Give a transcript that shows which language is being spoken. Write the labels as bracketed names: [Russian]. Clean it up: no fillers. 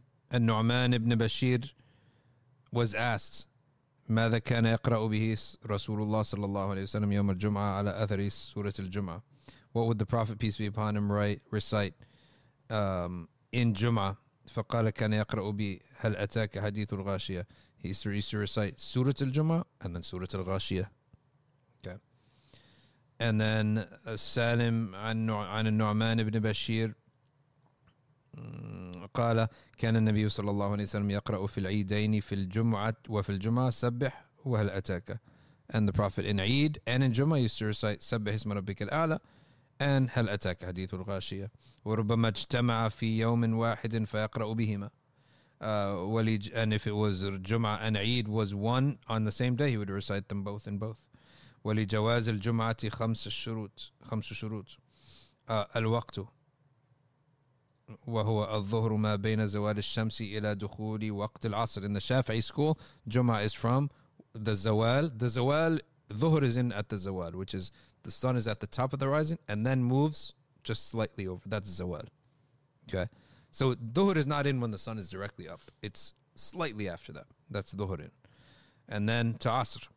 [English] And Nu'man ibn Bashir was asked, [Arabic] ماذا كان يقرأ به رسول الله صلى الله عليه وسلم يوم الجمعة على أثر سورة الجمعة? [English] What would the Prophet, peace be upon him, recite in Jum'ah? [Arabic] فقال كان يقرأ به هل أتاك حديث الغاشية? [English] He used to recite Surah al-Jum'ah and then Surah al-Ghashiyah. Okay. And then Salim [Arabic] عن النعمان بن بشير قال كان النبي صلى الله عليه وسلم يقرأ في العيدين في الجمعة وفي الجمعة سبح وهل أتاك. [English] And the Prophet in Eid and in Jum'ah used to recite [Arabic] سبح اسم ربك الأعلى [English] and [Arabic] هل أتاك حديث الغاشية. وربما اجتمع في يوم واحد فيقرأ بهما. [English] And if it was Jum'ah and Eid was one on the same day, he would recite them both in both. [Arabic] ولجواز الجمعة خمس شروط. الوقت وهو الظهر ما بين زوال الشمس إلى دخول وقت العصر. [English] In the Shafi'i school, Jum'ah is from the Zawal. The Zawal, Dhuhr is in at the Zawal, which is the sun is at the top of the horizon and then moves just slightly over. That's Zawal. Okay. So Dhuhr is not in when the sun is directly up. It's slightly after that. That's Dhuhr in. And then to Asr.